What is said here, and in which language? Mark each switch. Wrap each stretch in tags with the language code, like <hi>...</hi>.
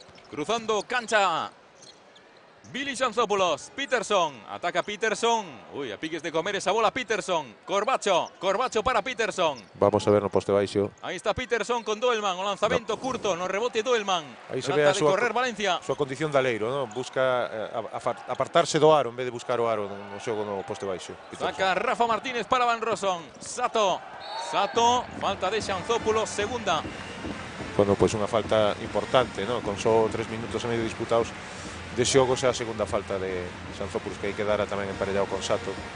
<gl>Cruzando cancha. Billy Xanzópolos. Peterson. Ataca Peterson. Uy, a piques de comer esa bola Peterson. Corbacho. Corbacho para Peterson. Vamos a ver no poste baixo. Ahí está Peterson con Doelman. O lanzamento no. Curto. No rebote Doelman. Ahí se ve a correr Valencia. Su condición de aleiro, ¿no? Busca apartarse do aro en vez de buscar o aro no xogo no poste baixo. Peterson. Saca Rafa Martínez para Van Rossum. Sato. Sato. Falta de Xanzópolos. Segunda.</gl> <es>Bueno, pues una falta importante, ¿no? Con solo 3 minutos y medio disputados.</es> <gl>De xogo xa a segunda falta de Xanzópolos, que aí quedara tamén emparellado con Sato.</gl>